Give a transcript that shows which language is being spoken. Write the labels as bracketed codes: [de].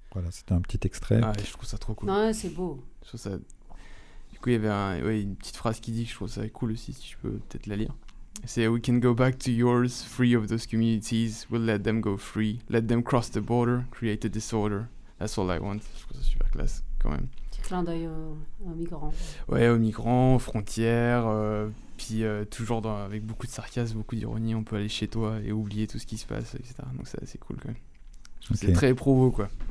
[fr] C'était un petit extrait. Ah, je trouve ça trop cool. Non, c'est beau. Je trouve ça... Du coup, il y avait une petite phrase qui dit que je trouve ça cool aussi, si je peux peut-être la lire. C'est [en] « We can go back to yours, free of those communities. We'll let them go free. Let them cross the border, create a disorder. That's all I want. [fr] » Je trouve ça super classe, quand même. Petit clin d'œil aux migrants. Ouais, aux migrants, aux frontières. Puis toujours avec beaucoup de sarcasme, beaucoup d'ironie, on peut aller chez toi et oublier tout ce qui se passe, etc. Donc, c'est assez cool, quand même. Okay. C'est très éprouvant, quoi.